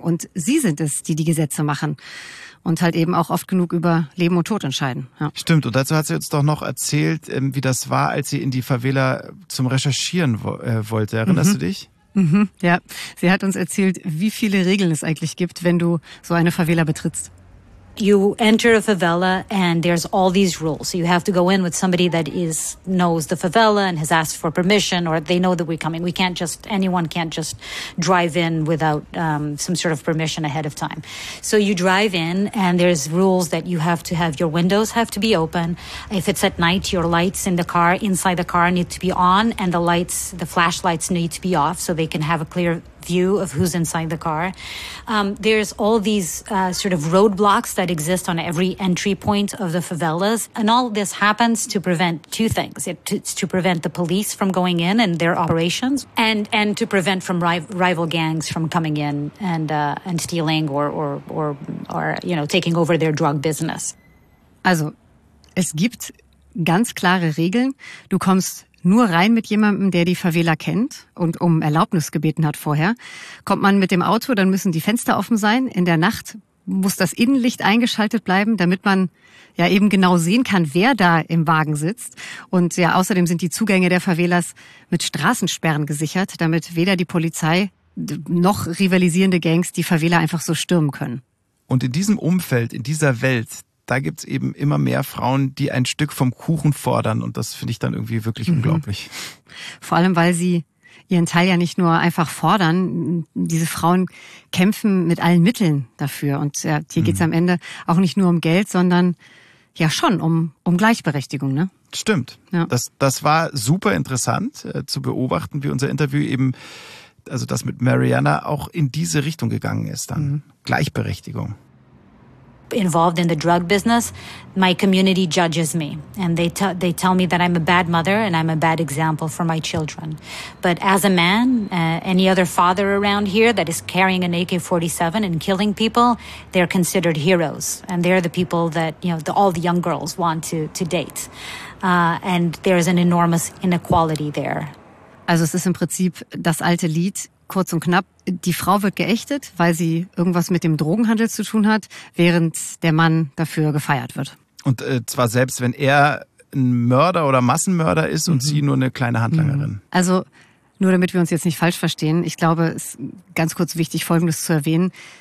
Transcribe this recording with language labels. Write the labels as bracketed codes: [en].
[de] Und sie sind es, die die Gesetze machen. Und halt eben auch oft genug über Leben und Tod entscheiden. Ja. Stimmt. Und dazu hat sie uns doch noch erzählt, wie das war, als sie in die Favela zum Recherchieren wollte. Erinnerst du dich? Ja, sie hat uns erzählt, wie viele Regeln es eigentlich gibt, wenn du so eine Favela betrittst. [en] You enter a favela and there's all these rules. You have to go in with somebody that knows the favela and has asked for permission, or they know that we're coming. Anyone can't just drive in without some sort of permission ahead of time. So you drive in and there's rules that you have to have, your windows have to be open. If it's at night, your lights in the car, inside the car need to be on, and the flashlights need to be off so they can have a clear view of who's inside the car. There's all these sort of roadblocks that exist on every entry point of the favelas. And all this happens to prevent two things. It's to prevent the police from going in and their operations, and to prevent from rival gangs from coming in and stealing or you know, taking over their drug business. [de] Also, es gibt ganz klare Regeln. Du kommst nur rein mit jemandem, der die Favela kennt und um Erlaubnis gebeten hat vorher. Kommt man mit dem Auto, dann müssen die Fenster offen sein. In der Nacht muss das Innenlicht eingeschaltet bleiben, damit man ja eben genau sehen kann, wer da im Wagen sitzt. Und ja, außerdem sind die Zugänge der Favelas mit Straßensperren gesichert, damit weder die Polizei noch rivalisierende Gangs die Favela einfach so stürmen können. Und in diesem Umfeld, in dieser Welt, da gibt es eben immer mehr Frauen, die ein Stück vom Kuchen fordern. Und das finde ich dann irgendwie wirklich unglaublich. Vor allem, weil sie ihren Teil ja nicht nur einfach fordern. Diese Frauen kämpfen mit allen Mitteln dafür. Und ja, hier geht es am Ende auch nicht nur um Geld, sondern ja schon um Gleichberechtigung. Ne? Stimmt. Ja. Das war super interessant zu beobachten, wie unser Interview eben, also das mit Mariana, auch in diese Richtung gegangen ist dann. Gleichberechtigung. [en] Involved in the drug business, my community judges me, and they tell me that I'm a bad mother and I'm a bad example for my children. But as a man, any other father around here that is carrying an AK-47 and killing people, they're considered heroes, and they're the people that, you know, all the young girls want to date. And there is an enormous inequality there. [de] Also es ist im Prinzip das alte Lied. Kurz und knapp, die Frau wird geächtet, weil sie irgendwas mit dem Drogenhandel zu tun hat, während der Mann dafür gefeiert wird. Und zwar selbst, wenn er ein Mörder oder Massenmörder ist und sie nur eine kleine Handlangerin. Also nur damit wir uns jetzt nicht falsch verstehen, ich glaube, es ist ganz kurz wichtig, Folgendes zu erwähnen.